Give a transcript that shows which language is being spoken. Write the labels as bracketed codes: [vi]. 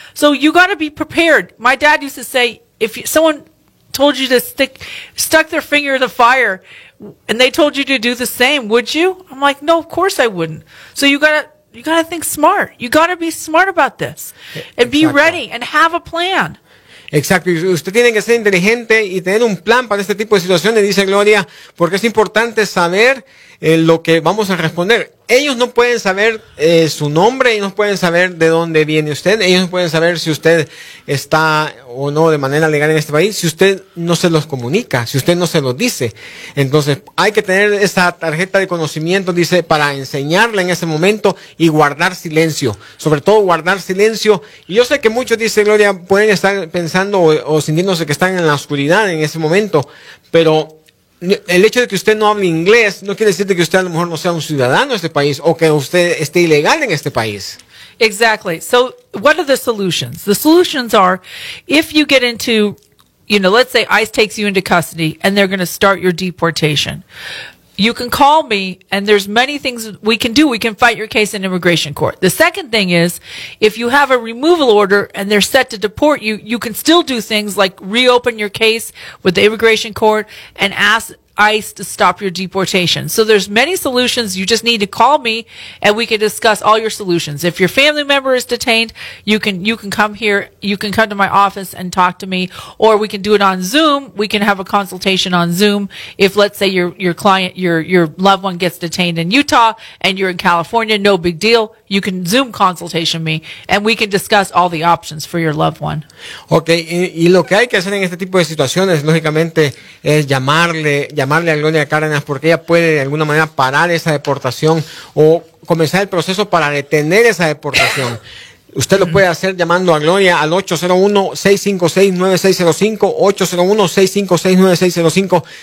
[en] So you got to be prepared. My dad used to say, if someone told you to stuck their finger in the fire and they told you to do the same, would you? I'm like, no, of course I wouldn't. So you gotta think smart. You gotta be smart about this and be ready and have a plan. [es] Exacto. Usted tiene que ser inteligente y tener un plan para este tipo de situaciones, dice Gloria, porque es importante saber lo que vamos a responder. Ellos no pueden saber su nombre, ellos no pueden saber de dónde viene usted, ellos no pueden saber si usted está o no de manera legal en este país, si usted no se los comunica, si usted no se los dice. Entonces, hay que tener esa tarjeta de conocimiento, dice, para enseñarle en ese momento y guardar silencio. Sobre todo, guardar silencio. Y yo sé que muchos, dice Gloria, pueden estar pensando o sintiéndose que están en la oscuridad en ese momento, pero el hecho de que usted no hable inglés no quiere decir que usted a lo mejor no sea un ciudadano de este país o que usted esté ilegal en este país. [en] Exactly. So, what are the solutions? The solutions are, if you get into, you know, let's say ICE takes you into custody and they're going to start your deportation, you can call me and there's many things we can do. We can fight your case in immigration court. The second thing is, if you have a removal order and they're set to deport you, you can still do things like reopen your case with the immigration court and ask ICE to stop your deportation. So there's many solutions. You just need to call me and we can discuss all your solutions. If your family member is detained, you can come here. You can come to my office and talk to me, or we can do it on Zoom. We can have a consultation on Zoom. If let's say your loved one gets detained in Utah and you're in California, no big deal. You can Zoom consultation me and we can discuss all the options for your loved one. Okay. [es] Y lo que hay que hacer en este tipo de situaciones, lógicamente, es llamarle a Gloria Cárdenas porque ella puede de alguna manera parar esa deportación o comenzar el proceso para detener esa deportación. Usted lo puede hacer llamando a Gloria al 801-656-9605, 801-656-9605.